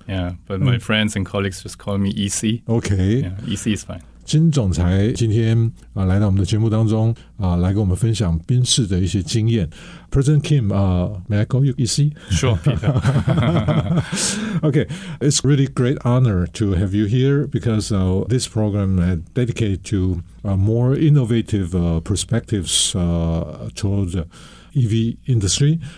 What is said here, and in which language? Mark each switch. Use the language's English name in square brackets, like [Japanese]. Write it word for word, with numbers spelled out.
[English] Yeah, but my friends and colleagues just call me E C. Okay. Yeah, E C is fine. [Chinese] 金总裁今天、呃、来到我们的节目当中、呃、来跟我们分享宾士的一些经验。 [English] President Kim,、uh, may I call you E C? Sure, Peter. Okay, it's really great honor to have you here because、uh, this program is dedicated to、uh, more innovative、uh, perspectives、uh, towards the E V industry.